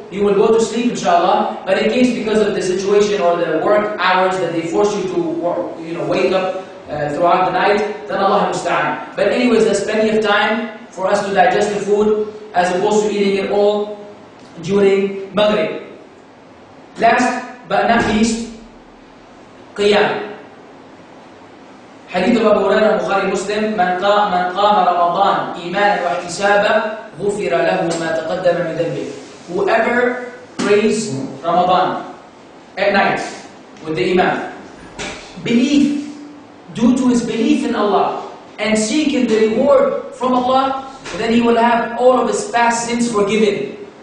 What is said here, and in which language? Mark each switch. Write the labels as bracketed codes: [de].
[en] You will go to sleep, inshallah. But in case because of the situation or the work hours that they force you to work, you know, wake up throughout the night, then Allah musta'an. But anyways, there's plenty of time for us to digest the food as opposed to eating it all during Maghrib. Last but not least, Qiyam. [ar] حديث أبو هريرة البخاري مسلم من قام رمضان إيمانا واحتسابا غفر له ما تقدم من ذنبه. [en] Whoever prays Ramadan at night with the Imam, belief, due to his belief in Allah and seeking the reward from Allah, then he will have all of his past sins forgiven.